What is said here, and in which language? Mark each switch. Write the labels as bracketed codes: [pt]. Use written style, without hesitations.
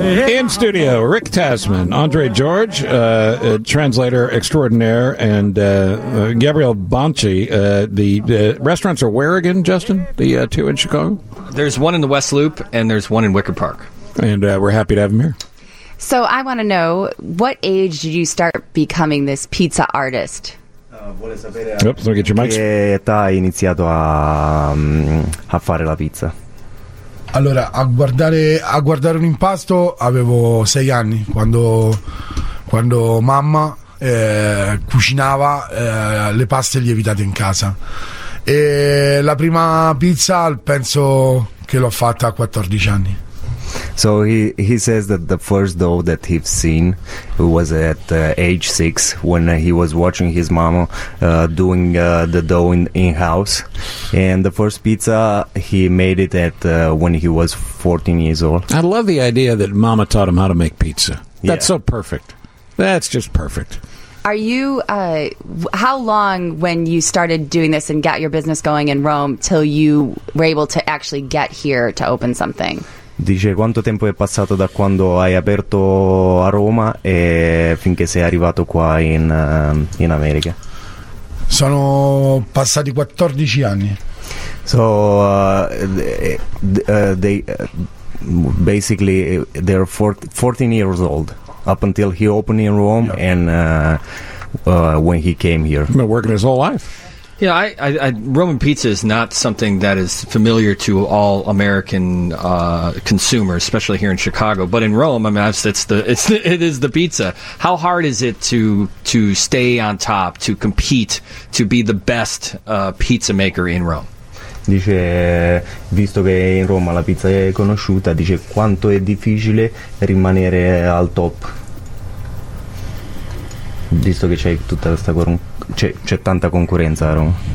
[en] In studio, Rick Tasman, Andre George, translator extraordinaire, and Gabriel Bonchi. The restaurants are where again, Justin? The two in Chicago? There's one in the West Loop, and there's one in Wicker Park. And we're happy to have him here. So I want to know, what age did you start becoming this pizza artist? Oops, let me get your mics. [it] Che età hai iniziato a fare la pizza? Allora, a guardare un impasto avevo 6 anni quando mamma cucinava le paste lievitate in casa. E la prima pizza penso che l'ho fatta a 14 anni. [en] So he says that the first dough that he've seen was at age 6 when he was watching his mama doing the dough in house, and the first pizza he made it at when he was 14 years old. I love the idea that mama taught him how to make pizza. That's so perfect. That's just perfect. Are you how long when you started doing this and got your business going in Rome till you were able to actually get here to open something? [it] Dice, quanto tempo è passato da quando hai aperto a Roma e finché sei arrivato qua in America? Sono passati 14 anni. [en] So they basically they're 14 years old up until he opened in Rome. Yep. And when he came here. He's been working his whole life. Yeah, I Roman pizza is not something that is familiar to all American consumers, especially here in Chicago. But in Rome, I mean, it is the pizza. How hard is it to stay on top, to compete, to be the best pizza maker in Rome? [it] Dice, visto che in Roma la pizza è conosciuta, dice quanto è difficile rimanere al top. Visto che c'è tutta questa c'è tanta concorrenza a Roma.